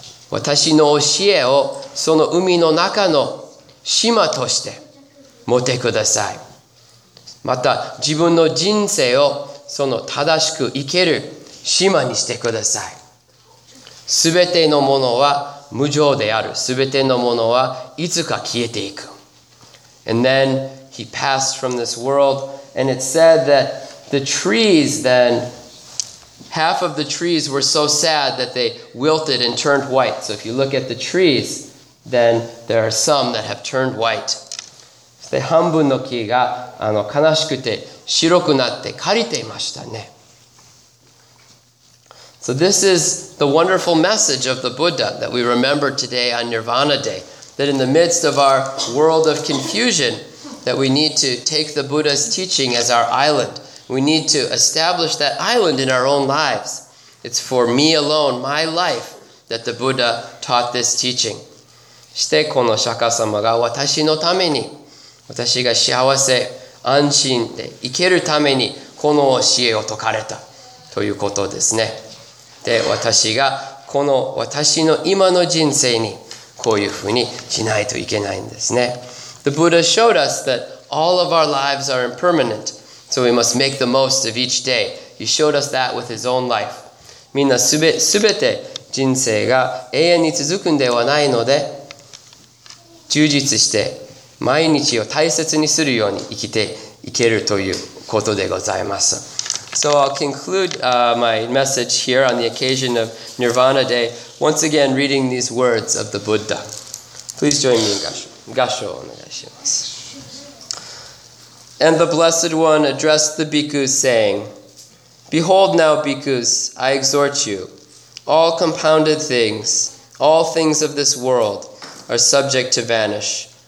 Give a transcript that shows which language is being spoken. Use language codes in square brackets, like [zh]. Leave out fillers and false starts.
[ja] 私の教えをその海の中の島として持ってください。また自分の人生をその正しく生ける島にしてください。すべてのものは無常である。すべてのものはいつか消えていく。 [en] And then he passed from this world, and it said that the trees then, half of the trees were so sad that they wilted and turned white. So if you look at the trees, then there are some that have turned white. [ja] で、半分の木が悲しくて白くなって枯れていましたね。 [en] So this is the wonderful message of the Buddha that we remember today on Nirvana Day. That in the midst of our world of confusion, that we need to take the Buddha's teaching as our island. We need to establish that island in our own lives. It's for me alone, my life, that the Buddha taught this teaching. [ja] してこの釈迦様が私のために、私が幸せ、安心で生けるためにこの教えを説かれたということですね。で、私がこの私の今の人生にこういうふうにしないといけないんですね。 [en] The Buddha showed us that all of our lives are impermanent, so we must make the most of each day. He showed us that with his own life. [ja] みんなすべて人生が永遠に続くんではないので、充実して毎日を大切にするように生きていけるということでございます。 [en] So I'll conclude my message here on the occasion of Nirvana Day, once again reading these words of the Buddha. Please join me in Gassho. Gassho, [ja] お願いします。 [en] And the Blessed One addressed the bhikkhus, saying, Behold now, bhikkhus, I exhort you, all compounded things, all things of this world, are subject to vanish.